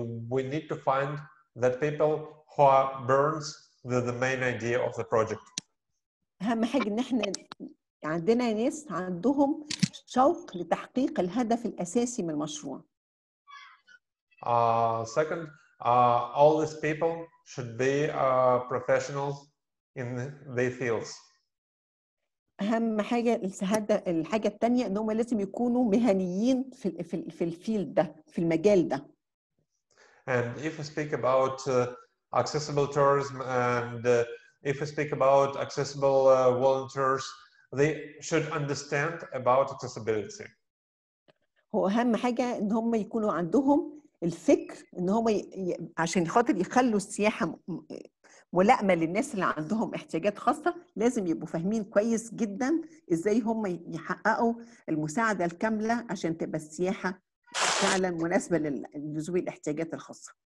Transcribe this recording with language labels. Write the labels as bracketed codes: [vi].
[en] We need to find that people who burns the main idea of the project. [ar] أهم حاجة إن إحنا عندنا ناس عندهم شوق لتحقيق الهدف الأساسي من المشروع. [en] Second, all these people should be professionals in their fields. [ar] أهم حاجة الحاجة الثانية إن هم لازم يكونوا مهنيين في الفيلد ده في المجال ده. [en] And if we speak about accessible tourism, and if we speak about accessible volunteers, they should understand about accessibility. [ar] هو أهم حاجة إن هم يكونوا عندهم الفكر إن هم عشان خاطر يخلوا السياحة ملائمة للناس اللي عندهم احتياجات خاصة لازم يبقوا فاهمين كويس جدا إزاي هم يحققوا المساعدة الكاملة عشان تبقى السياحة فعلا مناسبة لذوي الاحتياجات الخاصة.